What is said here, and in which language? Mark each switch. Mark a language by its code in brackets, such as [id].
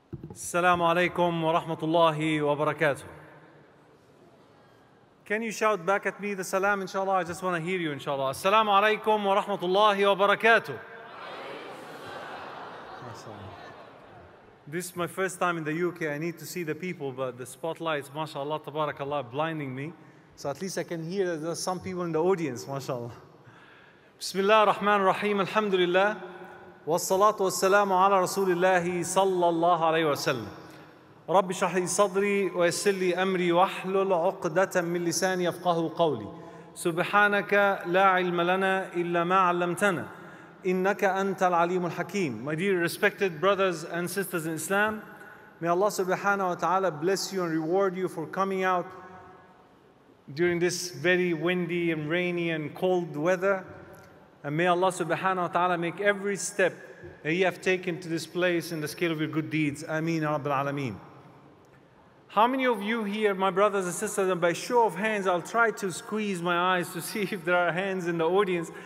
[ar] السلام عليكم ورحمة الله وبركاته. [en] Can you shout back at me the salam inshallah? I just want to hear you inshallah. [ar] السلام عليكم ورحمة الله وبركاته. [en] This is my first time in the UK. I need to see the people, but the spotlights, mashallah, tabarakallah, blinding me. So at least I can hear that there's some people in the audience, mashallah. [ar] بسم الله الرحمن الرحيم الحمد لله. والصلاة والسلام على رسول الله صلى الله عليه وسلم رب اشرح لي صدري ويسر لي أمري واحلل عقدة من لساني يفقه قولي سبحانك لا علم لنا إلا ما علمتنا إنك أنت العليم الحكيم [en] My dear respected brothers and sisters in Islam, May Allah subhanahu wa ta'ala bless you and reward you for coming out during this very windy and rainy and cold weather. And may Allah subhanahu wa ta'ala make every step that you have taken to this place in the scale of your good deeds. Ameen, Rabbil Alameen. How many of you here, my brothers and sisters, and by show of hands, I'll try to squeeze my eyes to see if there are hands in the audience.